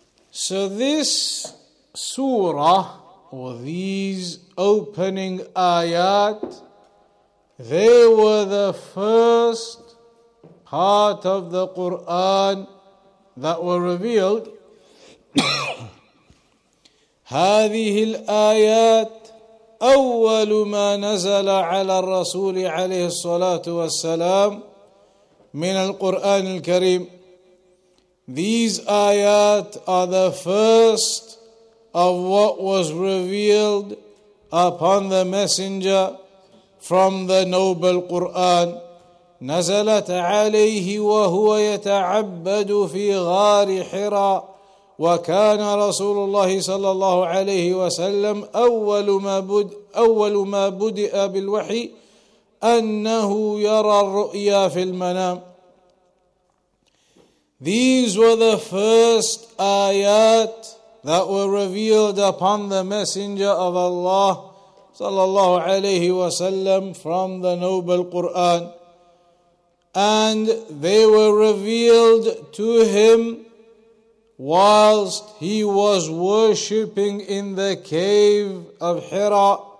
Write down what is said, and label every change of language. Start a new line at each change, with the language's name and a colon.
English: So this surah, or these opening ayat, they were the first part of the Qur'an that were revealed.
Arabic: هذه الآيات أول ما نزل على الرسول عليه الصلاة والسلام من القرآن الكريم.
English: These ayat are the first of what was revealed upon the messenger from the noble Qur'an.
Arabic: نزلت عليه وهو يتعبد في غار حراء وكان رسول الله صلى الله عليه وسلم أول ما بدأ بالوحي أنه يرى الرؤيا في المنام.
English: These were the first ayat that were revealed upon the messenger of Allah sallallahu alayhi wa sallam from the noble Quran, and they were revealed to him whilst he was worshipping in the cave of Hira.